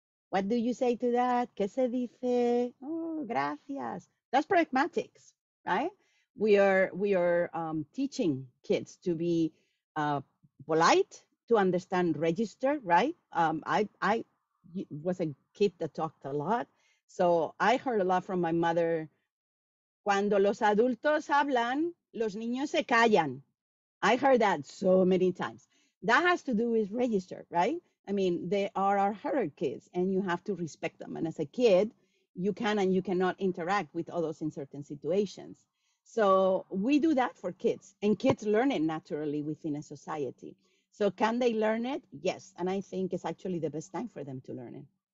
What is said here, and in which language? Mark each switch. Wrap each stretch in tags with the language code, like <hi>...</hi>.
<en>What do you say to that?</en> <es>¿Qué se dice? Oh, gracias.</es> <en>That's pragmatics, right? We are teaching kids to be polite, to understand register, right? I was a kid that talked a lot. So I heard a lot from my mother,</en> <es>cuando los adultos hablan, los niños se callan.</es> <en>I heard that so many times. That has to do with register, right? I mean, they are our herd kids and you have to respect them. And as a kid, you can and you cannot interact with others in certain situations. So we do that for kids, and kids learn it naturally within a society. So can they learn it? Yes. And I think it's actually the best time for them to learn it.</en>